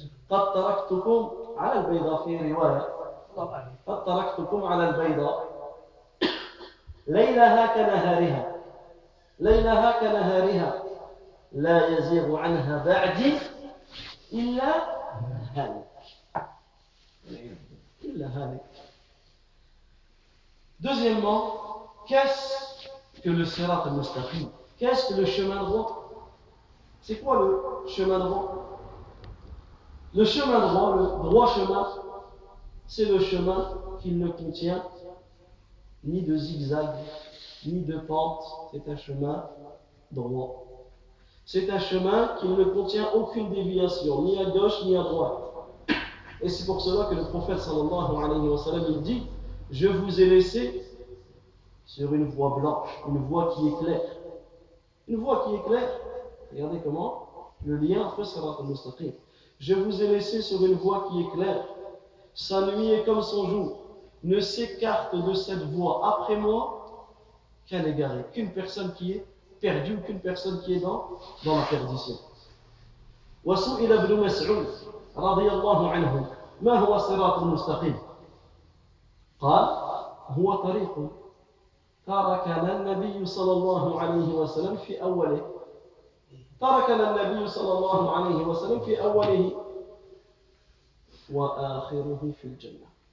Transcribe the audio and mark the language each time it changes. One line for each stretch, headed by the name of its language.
Arabic: قد تركتكم على البيضاء في رواية قد تركتكم على البيضاء ليلها كنهارها ليلها كنهارها لا يزيغ عنها بعدي إلا هالك إلا هالك.
French: Deuxièmement, qu'est-ce que le sirat al-mustaqim? Qu'est-ce que le chemin droit? C'est quoi le chemin droit? Le chemin droit, le droit chemin, c'est le chemin qui ne contient ni de zigzag, ni de pente. C'est un chemin droit. C'est un chemin qui ne contient aucune déviation, ni à gauche, ni à droite. Et c'est pour cela que le prophète sallallahu alayhi wa sallam dit, je vous ai laissé sur une voie blanche, une voie qui est claire. Une voie qui est claire. Regardez comment le lien entre sirat al-mustaqim. Je vous ai laissé sur une voie qui est claire. Sa nuit est comme son jour. Ne s'écarte de cette voie après moi qu'un égaré, qu'une personne qui est perdue ou qu'une personne qui est dans la perdition.
Arabic: وَسُئِلَ ابْنُ مَسْعُودٍ رَضِيَ اللَّهُ عَنْهُ مَا هُوَ صِرَاطٌ مُسْتَقِيمٌ قَالَ هُوَ طَرِيقٌ تَرَكَنَا النَّبِيُّ صَلَّى اللَّهُ عَلَيْهِ وَسَلَّمَ فِي أَوَّلِهِ تَرَكَنَا النَّبِيُّ صَلَّى اللَّهُ عَلَيْهِ وَسَلَّمَ فِي أَوَّلِهِ وَآخِرُهُ فِي الْجَنَّةِ